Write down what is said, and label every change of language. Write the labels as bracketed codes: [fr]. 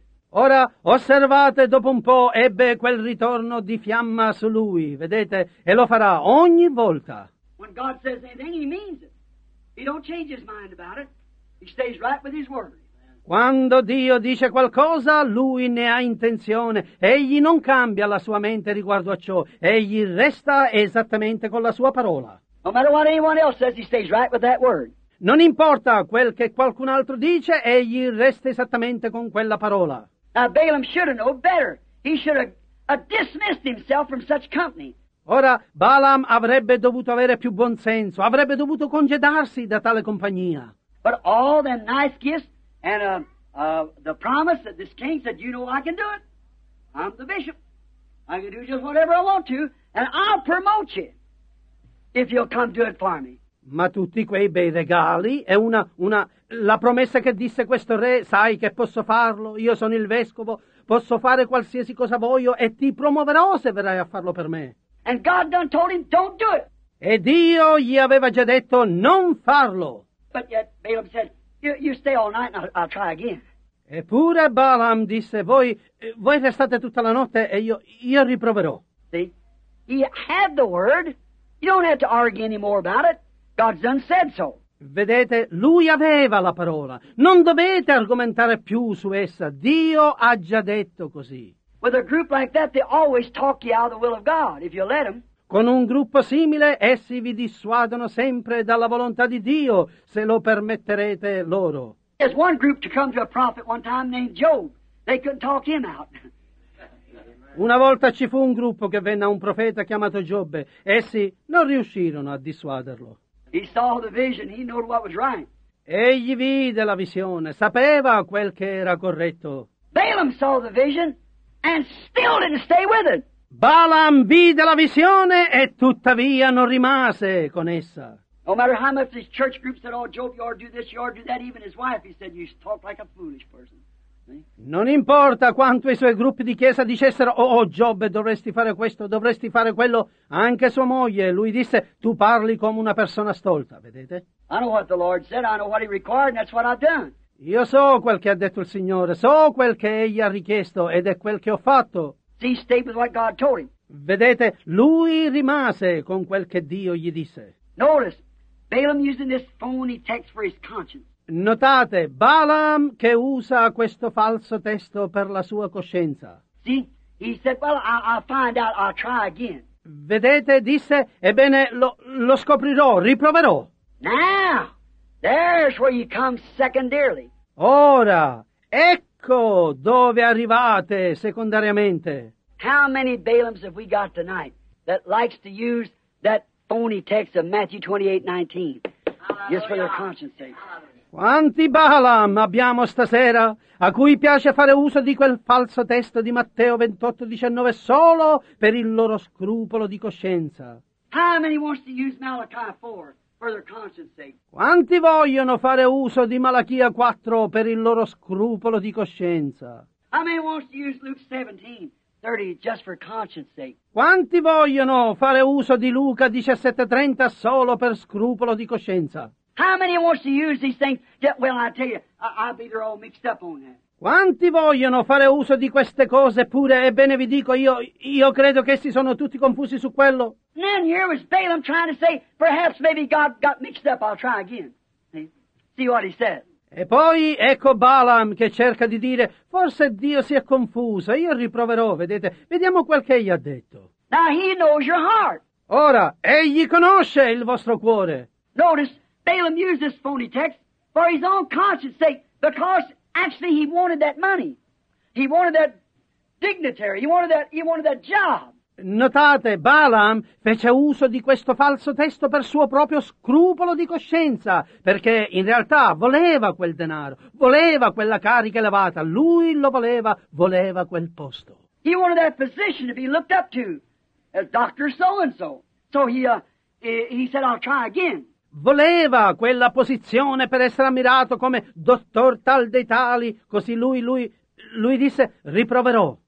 [it] Ora, osservate, dopo un po' ebbe quel ritorno di fiamma su lui, vedete, e lo farà ogni volta. [en] When God says anything, he means it. He don't change his mind about it. He stays right with his word. [it] Quando Dio dice qualcosa, lui ne ha intenzione. Egli non cambia la sua mente riguardo a ciò. Egli resta esattamente con la sua parola. [en] No matter what anyone else says, he stays right with that word. [it] Non importa quel che qualcun altro dice, egli resta esattamente con quella parola. [en] Now Balaam should have known better. He should have dismissed himself from such company. [it] Ora, Balaam avrebbe dovuto avere più buon senso. Avrebbe dovuto congedarsi da tale compagnia. [en] But all the nice gifts... And the promise that this king said, you know I can do it. I'm the bishop. I can do just whatever I want to, and I'll promote you if you'll come do it for me. [it] Ma tutti quei bei regali è una la promessa che disse questo re, sai che posso farlo, io sono il vescovo, posso fare qualsiasi cosa voglio e ti promuoverò se verrai a farlo per me. [en] And God done told him, don't do it. [it] E Dio gli aveva già detto non farlo. [en] But yet Balaam said, you stay all night and I'll try again. [it] Eppure Balaam disse, voi restate tutta la notte e io riproverò. [en] See, he had the word, you don't have to argue anymore about it. God's done said so. [it] Vedete, lui aveva la parola. Non dovete argomentare più su essa. Dio ha già detto così. [en] With a group like that, they always talk you out of the will of God, if you let them. [it] Con un gruppo simile, essi vi dissuadono sempre dalla volontà di Dio, se lo permetterete loro. [en] There's one group to come to a prophet one time named Job. They couldn't talk him out. [it] Una volta ci fu un gruppo che venne a un profeta chiamato Giobbe. Essi non riuscirono a dissuaderlo. [en] He saw the vision, he knew what was right. [it] Egli vide la visione, sapeva quel che era corretto. [en] Balaam saw the vision and still didn't stay with it. [it] Balaam vide la visione e tuttavia non rimase con essa. [en] No matter how much his church group said, oh Job, you ought to do this, you ought to do that, even his wife, he said, you talk like a foolish person. [it] Non importa quanto i suoi gruppi di chiesa dicessero, oh Giobbe, dovresti fare questo, dovresti fare quello, anche sua moglie, lui disse, tu parli come una persona stolta, vedete? [en] I know what the Lord said, I know what he required, and that's what I've done. [it] Io so quel che ha detto il Signore, so quel che egli ha richiesto, ed è quel che ho fatto. [en] He stayed with what God told him. [it] Vedete, lui rimase con quel che Dio gli disse. [en] Notice, Balaam using this phony text for his conscience. [it] Notate, Balaam che usa questo falso testo per la sua coscienza. [en] See, he said, well, I'll find out, I'll try again. [it] Vedete, disse, ebbene, lo scoprirò, riproverò. [en] Now, there's where you come secondarily. [it] Ora, ecco dove arrivate secondariamente. [en] How many Balaams have we got tonight that likes to use that phony text of Matthew 28:19? Hallelujah. Just for their conscience sake. [it] Quanti Balaam abbiamo stasera a cui piace fare uso di quel falso testo di Matteo 28:19 solo per il loro scrupolo di coscienza? [en] How many wants to use Malachi 4 for their conscience sake? [it] Quanti vogliono fare uso di Malachia 4 per il loro scrupolo di coscienza? [en] How many wants to use Luke 17:30 just for conscience sake? [it] Quanti vogliono fare uso di Luca 17:30 solo per scrupolo di coscienza? [en] How many wants to use these things? Yeah, well, I tell you, I'll be there all mixed up on that. [it] Quanti vogliono fare uso di queste cose pure? Ebbene vi dico, io credo che essi sono tutti confusi su quello. [en] Then here was Balaam trying to say, perhaps maybe God got mixed up, I'll try again. See what he said. [it] E poi ecco Balaam che cerca di dire, forse Dio si è confuso, io riproverò, vedete. Vediamo quel che egli ha detto. [en] Now he knows your heart. [it] Ora, egli conosce il vostro cuore. [en] Notice, Balaam used this phony text for his own conscience sake, because actually he wanted that money. He wanted that dignitary. He wanted that job. [it] Notate, Balaam fece uso di questo falso testo per suo proprio scrupolo di coscienza, perché in realtà voleva quel denaro, voleva quella carica elevata. Lui lo voleva, voleva quel posto. [en] He wanted that position to be looked up to as Dr. So-and-so. So he said, I'll try again. [it] Voleva quella posizione per essere ammirato come dottor tal dei tali, così lui disse, riproverò.